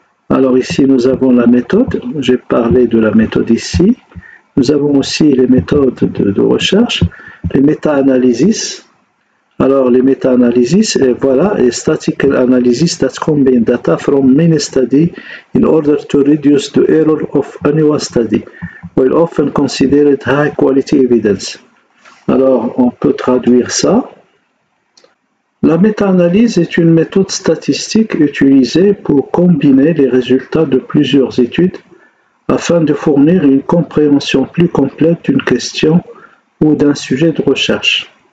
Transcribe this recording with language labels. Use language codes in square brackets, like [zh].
[fr] Alors ici, nous avons la méthode. J'ai parlé de la méthode ici. Nous avons aussi les méthodes de recherche, les méta-analyses. Alors, les méta-analyses, et [en] statistical analysis that combine data from many studies in order to reduce the error of any one study, while often considered high quality evidence. [fr] Alors, on peut traduire ça. La méta-analyse est une méthode statistique utilisée pour combiner les résultats de plusieurs études afin de fournir une compréhension plus complète d'une question ou d'un sujet de recherche.